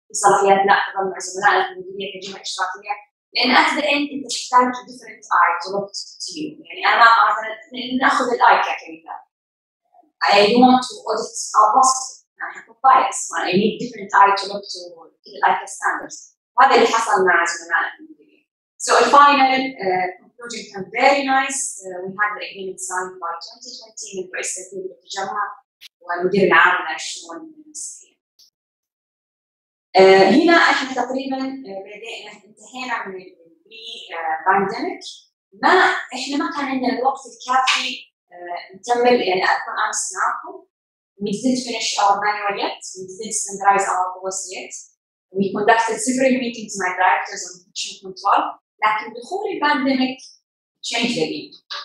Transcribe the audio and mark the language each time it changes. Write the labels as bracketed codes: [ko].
[ar] صلاحيات لا تضم زملائنا في المديرية في الجهة الاشتراكية، لأن [en] at the end [ar] أنت تحتاج [en] different eye to look to you. [ar] يعني أنا مثلا نأخذ الـ eye كمثال، [en] I want to audit our process، [ar] أنا أحب bias، [en] I need different eye to look to the eye standards. [ar] هذا اللي حصل مع زملائنا في المديرية. [en] So the final conclusion can be very nice. We had the agreement signed by 2020 [ar] من رئيس التنظيم للتجمع والمدير العام للشؤون الصحية. هنا احنا تقريبا انتهينا من البري بانديميك، ما احنا ما كان عندنا الوقت الكافي نكمل، يعني اكون امس معاكم، [en] we didn't finish our manual yet, we didn't standardize our policy yet, we conducted several meetings with my directors on infection control، [ar] لكن دخول البانديميك [en] change the game.